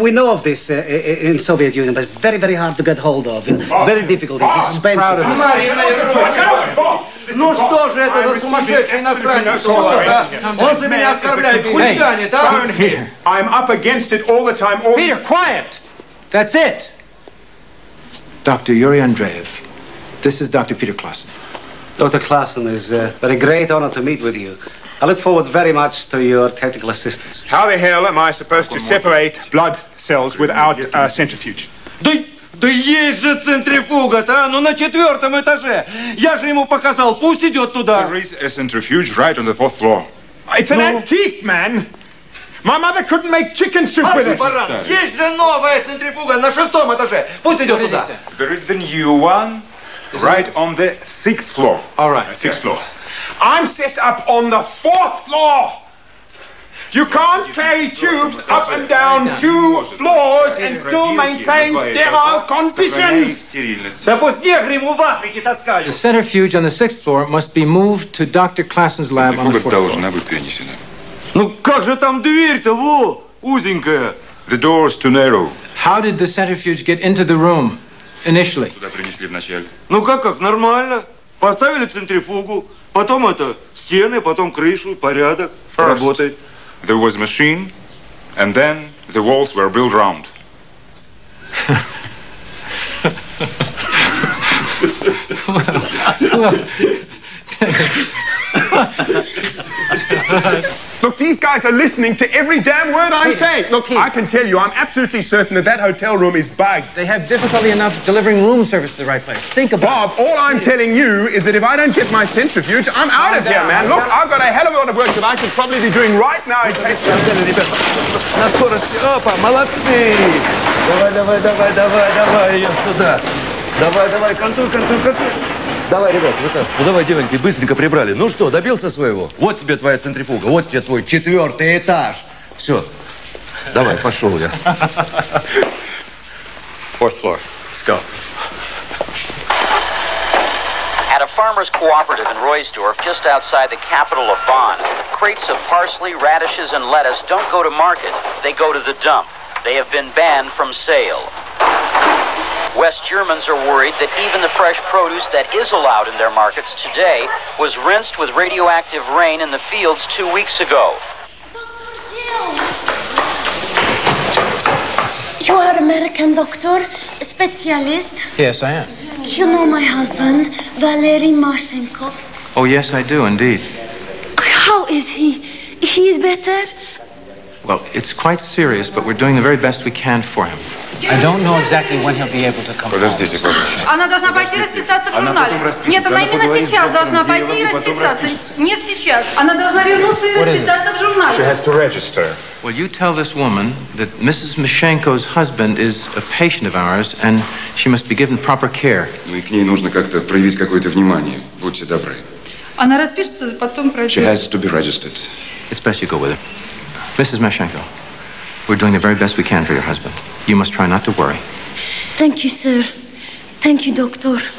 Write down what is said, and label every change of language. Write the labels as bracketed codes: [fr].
[en] We know of this in Soviet Union, but very, very hard to get hold of. Very difficult. Oh, I'm proud of this. [ru] Ну что же это за сумасшедший иностранец? Он же меня оскорбляет, хулиганит, а? [en] I'm up against it all the time. Peter, quiet! That's it! Dr. Yuri Andreev, this is Dr. Peter Klassen. Dr. Klassen, it's a very great honor to meet with you. I look forward very much to your technical assistance. How the hell am I supposed to separate blood cells without a centrifuge? [ru] Да есть же центрифуга-то, а? Ну на четвертом этаже. Я же ему показал, пусть идет туда. [en] There is a centrifuge right on the fourth floor. It's an antique, man. My mother couldn't make chicken soup with it. [ru] Есть же новая центрифуга на шестом этаже. Пусть идет туда. [en] There is the new one right on the sixth floor. All right. Sixth floor. I'm set up on the fourth floor. You can't carry tubes up and down two floors and still maintain sterile conditions. The centrifuge on the sixth floor must be moved to Dr. Klassen's lab on the fourth floor. [ru] Ну как же там дверь-то, во, узенькая. [en] The door's too narrow. How did the centrifuge get into the room initially? [ru] Ну как, нормально. Поставили центрифугу, потом это стены, потом крышу, порядок, работает. [en] There was a machine, and then the walls were built round. Look, these guys are listening to every damn word I say. Look, Keith. I can tell you, I'm absolutely certain that that hotel room is bugged. They have difficulty enough delivering room service to the right place. Think about it. Bob, all I'm telling you is that if I don't get my centrifuge, I'm out of here, man. Look, I've got a hell of a lot of work that I could probably be doing right now in case I'm getting any better. [ru] На скорости. Опа, молодцы. Давай, давай, давай, давай, давай, я сюда. Давай, давай, контур, контур, контур. Давай, ребят, вытас. Ну давай, девоньки, быстренько прибрали. Ну что, добился своего? Вот тебе твоя центрифуга, вот тебе твой четвертый этаж. Все, давай, пошел я. [en] Fourth floor. Let's go. At a farmer's cooperative in Roisdorf, just outside the capital of Bonn, crates of parsley, radishes, and lettuce don't go to market. They go to the dump. They have been banned from sale. West Germans are worried that even the fresh produce that is allowed in their markets today was rinsed with radioactive rain in the fields 2 weeks ago. Dr. Gill! You are American doctor, specialist? Yes, I am. You know my husband, Valery Marshenko? Oh, yes, I do, indeed. How is he? He is better? Well, it's quite serious, but we're doing the very best we can for him. I don't know exactly when he'll be able to come home. [ru] Подождите, подождите. Она должна пойти расписаться в журнале. Нет, она именно сейчас должна пойти и расписаться. Нет, сейчас. Она должна вернуться и расписаться в журнале. [en] She has to register. Well, you tell this woman that Mrs. Mashenko's husband is a patient of ours and she must be given proper care. [ru] Ну и к ней нужно как-то проявить какое-то внимание. Будьте добры. Она распишется, потом пройдет. [en] She has to be registered. It's best you go with her. Mrs. Mashenko, we're doing the very best we can for your husband. You must try not to worry. Thank you, sir. Thank you, doctor.